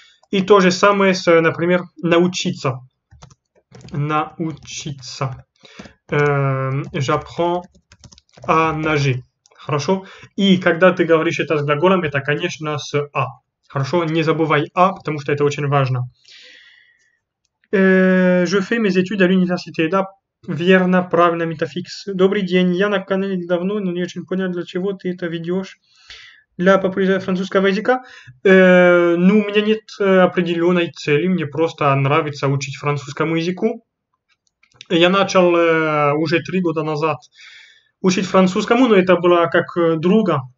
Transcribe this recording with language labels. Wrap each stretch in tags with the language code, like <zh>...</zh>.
<ru>И то же самое с, например, научиться. Научиться.</ru> <fr>J'apprends à nager.</fr> <ru>Хорошо? И когда ты говоришь это с глаголом, это, конечно, с «а». Хорошо? Не забывай «а», потому что это очень важно.</ru> <fr>Je fais mes études à l'université.</fr> <ru>Да, верно, правильно, Metafix. Добрый день. Я на канале давно, но не очень понял, для чего ты это ведешь. Для популяризации французского языка? Ну, у меня нет определенной цели. Мне просто нравится учить французскому языку. Я начал уже 3 года назад учить французскому, но это было как друга.</ru>